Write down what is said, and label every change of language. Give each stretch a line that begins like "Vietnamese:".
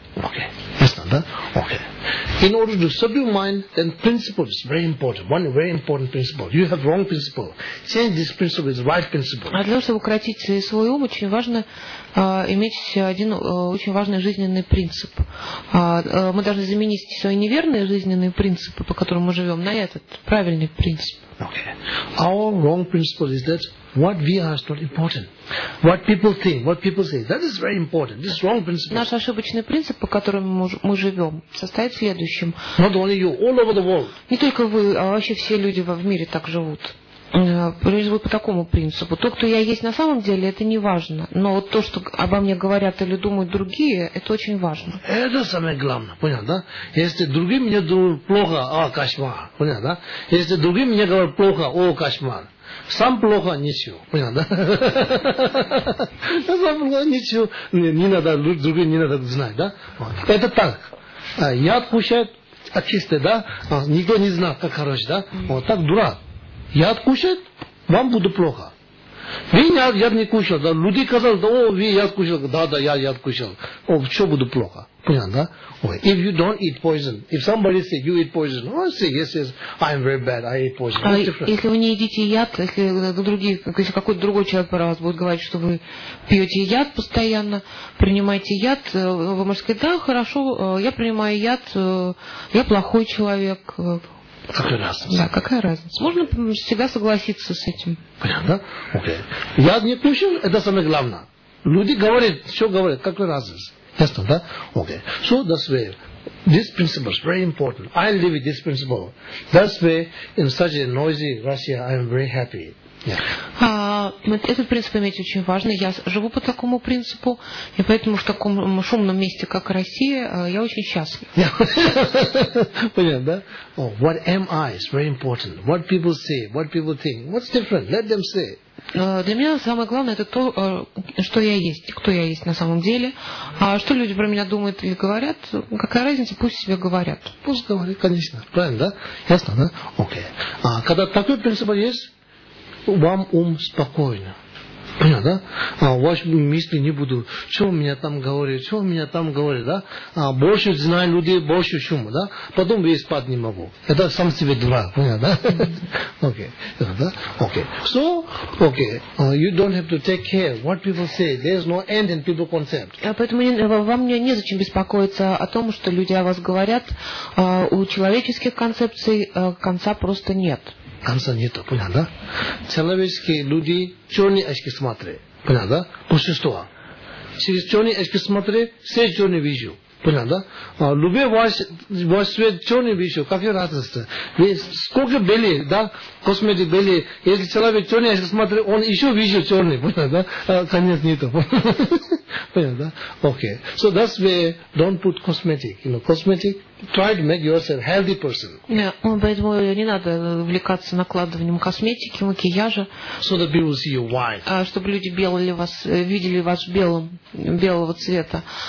English: Okay. Yes, not that? Okay. In order to subdue mind, then principle is very important. One very important principle. You have wrong principle. Change this principle with the right principle.
Russian: А для того, чтобы укротить свой ум, очень важно иметь один очень важный жизненный принцип. Мы должны заменить свои неверные жизненные принципы, по которым мы живем, на этот правильный принцип.
English: Okay. Our wrong principle is that what we are is not important. What people think, what people say, that is very important. This is wrong principle.
Russian: Наш ошибочный принцип, по которому мы живем, состоит в следующем.
English: Not only you, all over the world.
Russian: Не только вы, а вообще все люди в мире так живут. Живут по такому принципу. То, кто я есть на самом деле, это не важно. Но вот то, что обо мне говорят или думают другие, это очень важно. Это самое главное. Понял, да? Если другие мне думают плохо, кошмар. Понял, да? Если другие мне говорят плохо, кошмар. Сам плохо, ничего. Понял, да? Сам плохо, ничего. Не надо, другие не надо знать, да? Это так. Яд кушает, а чистый, да? Никто не знает, как хорош, да? Вот так дурак. Яд кушает, вам будет плохо. Видите, я не кушал. Да? Люди сказали, да, о, ви, я кушал. Да, я кушал. О, что буду плохо. Понятно, да? Ой.
English: If you don't eat poison, if somebody say you eat poison, oh, I say, yes, I'm very bad, I eat poison.
Russian: Если вы не едите яд, если другие, если какой-то другой человек про вас будет говорить, что вы пьете яд постоянно, принимаете яд, вы можете сказать, да, хорошо, я принимаю яд, я плохой человек. Какая разница? Да, какая разница? Можно всегда согласиться с этим. Понятно, да? Окей. Okay. Яд не кушал, это самое главное. Люди говорят, все говорят, какая разница? Ясно, да? Окей. Okay.
English: So, that's why this principle is very important. I live with this principle. That's why in such a noisy Russia, I'm very happy. Yeah.
Russian: Этот принцип иметь очень важно. Я живу по такому принципу, и поэтому в таком шумном месте, как Россия, я очень счастлив.
English: Yeah.
Russian: Понятно, да?
English: Oh, what am I is very important. What people say, what people think. What's different? Let them say.
Russian: Для меня самое главное это то, что я есть, кто я есть на самом деле. А что люди про меня думают или говорят, какая разница, пусть себе говорят. Пусть говорят, конечно. Правильно, да? Ясно, да? Окей. А когда такой принцип есть, вам ум спокойно. Понятно, да? А ваши мысли не буду, что у меня там говорит, что у меня там говорит, да? А больше знаю людей, больше шума, да? Потом весь спать не могу. Это сам себе два, понятно, да? Окей. Okay. Okay.
English: So, okay, you don't have to take care what people say. There's no end in people concept.
Russian: Поэтому вам незачем беспокоиться о том, что люди о вас говорят. У человеческих концепций конца просто нет. Конца нету, понятно, да? Человеческие люди черные очки смотрят, понятно, да? Большинство. Через черные очки смотрят, все черные вижу, понятно, да? Любые ваш свет черный вижу, какая разница? Ведь сколько белье, да, косметик белье, если человек черные очки смотрит, он еще вижу черный, понятно, да? Конец нету, понятно, да? Окей. Okay.
English: So that's why don't put cosmetic, you know, cosmetic. Try to make yourself a healthy person.
Russian: Yeah, поэтому не надо увлекаться накладыванием косметики, макияжа.
English: So that people see you white.
Russian: Чтобы люди белили вас, видели вас белым, белого цвета.